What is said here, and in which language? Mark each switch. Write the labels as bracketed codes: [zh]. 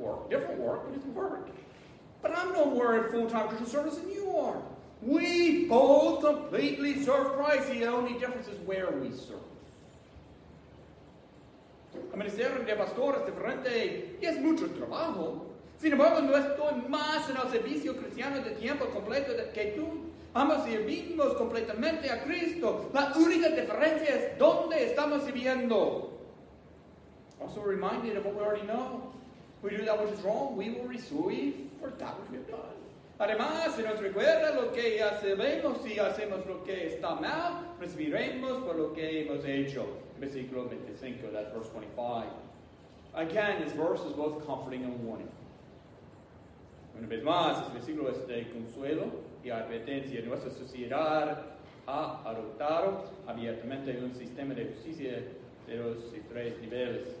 [en] Different work, but it's work. But I'm no more in full-time Christian service than you are. We both completely serve Christ. The only difference is where we serve. [es] El ministerio de pastor es diferente y es mucho trabajo. Sin embargo, no estoy más en el servicio cristiano de tiempo completo que tú. Ambos servimos completamente a Cristo. La única diferencia es dónde estamos sirviendo. [en] Also reminded of what we already know. We do that which is wrong, we will receive for that which we have done. [es] Además, si nos recuerda lo que ya sabemos, si hacemos lo que está mal, recibiremos por lo que hemos hecho. Versículo 25, [en] that's verse 25. Again, this verse is both comforting and warning. [es] Una vez más, este versículo es de consuelo y advertencia. Nuestra sociedad ha adoptado abiertamente un sistema de justicia de dos y tres niveles.